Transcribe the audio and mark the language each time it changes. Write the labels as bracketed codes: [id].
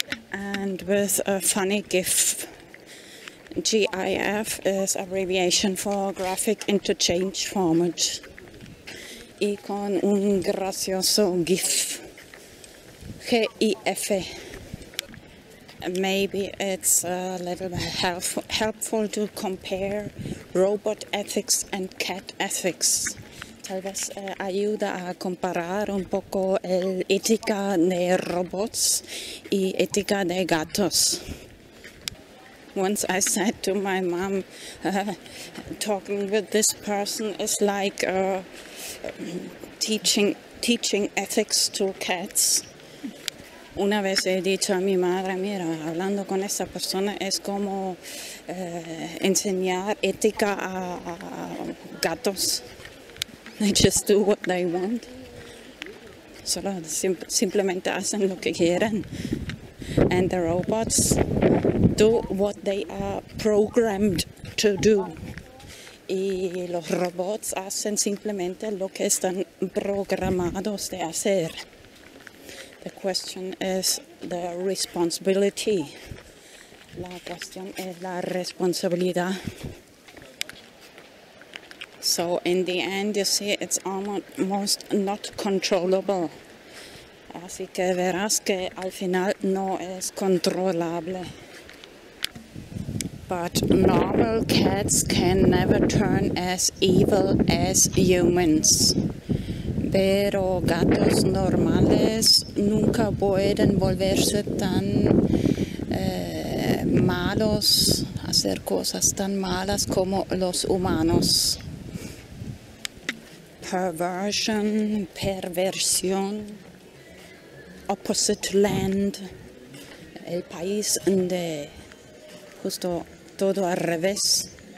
[en] And with a funny GIF, GIF is abbreviation for Graphic Interchange Format. [es] Y con un gracioso GIF, GIF. [en] maybe it's a little bit helpful to compare robot ethics and cat ethics. [es] Tal vez ayuda a comparar un poco el ética de robots y ética de gatos. [en] Once I said to my mom, talking with this person is like teaching ethics to cats. [es] Una vez he dicho a mi madre, mira, hablando con esa persona es como enseñar ética a gatos. [en] They just do what they want. [es] Solo simplemente hacen lo que quieren. [en] And the robots do what they are programmed to do. [es] Y los robots hacen simplemente lo que están programados de hacer. [en] The question is the responsibility. [es] La cuestión es la responsabilidad. [en] So in the end, you see, it's almost not controllable. [es] Así que verás que al final no es controlable. [en] But normal cats can never turn as evil as humans. [es] Pero gatos normales nunca pueden volverse tan malos, hacer cosas tan malas como los humanos. Perversion, perversión, [en] opposite land, [es] el país de justo todo al revés.